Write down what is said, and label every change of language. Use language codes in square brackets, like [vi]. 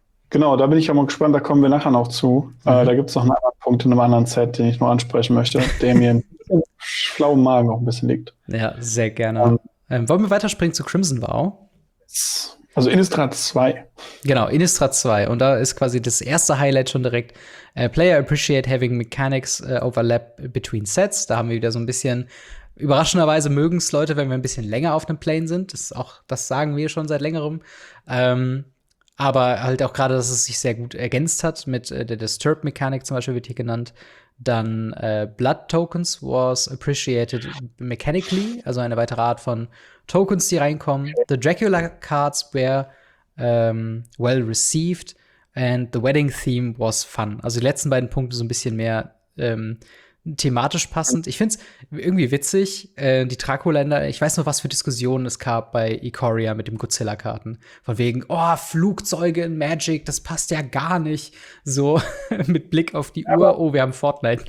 [de] Genau, da bin ich ja mal gespannt, da kommen wir nachher noch zu. Da gibt's noch einen anderen Punkt in einem anderen Set, den ich nur ansprechen möchte, der mir im schlauen Magen auch ein bisschen liegt. Ja, sehr gerne. Wollen wir weiterspringen zu Crimson Vow? Also Innistrad 2. Genau, Innistrad 2. Und da ist quasi das erste Highlight schon direkt. [en] Player appreciate having mechanics overlap between sets. [de] Da haben wir wieder so ein bisschen, überraschenderweise mögen es Leute, wenn wir ein bisschen länger auf einem Plane sind. Das sagen wir schon seit längerem. Aber halt auch gerade, dass es sich sehr gut ergänzt hat mit der Disturb-Mechanik zum Beispiel, wird hier genannt. Dann [en] Blood Tokens was appreciated mechanically, [de] also eine weitere Art von Tokens, die reinkommen. [en] The Dracula Cards were well received and the Wedding Theme was fun. [de] Also die letzten beiden Punkte so ein bisschen mehr thematisch passend. Ich find's irgendwie witzig, die Dracula-Länder, ich weiß noch, was für Diskussionen es gab bei Ikoria mit dem Godzilla-Karten. Von wegen, oh, Flugzeuge in Magic, das passt ja gar nicht. So mit Blick auf die Uhr, oh, wir haben Fortnite.